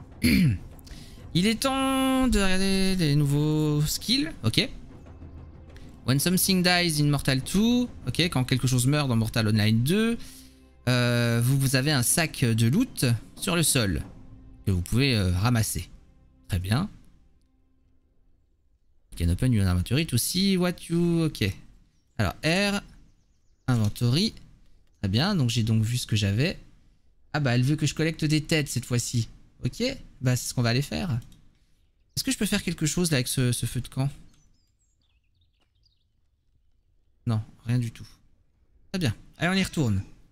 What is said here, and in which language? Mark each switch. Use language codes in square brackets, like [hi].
[fr] Il est temps de regarder les nouveaux skills. Ok. [en] When something dies in Mortal 2. [fr] Ok, quand quelque chose meurt dans Mortal Online 2. Vous avez un sac de loot sur le sol. Que vous pouvez ramasser. Très bien. [en] Can open your inventory to see what you... [fr] Ok. Alors, R. Inventory. Très bien. Donc, j'ai donc vu ce que j'avais. Ah bah, elle veut que je collecte des têtes cette fois-ci. Ok. Bah, c'est ce qu'on va aller faire. Est-ce que je peux faire quelque chose là avec ce feu de camp? Non. Rien du tout. Très bien. Allez, on y retourne.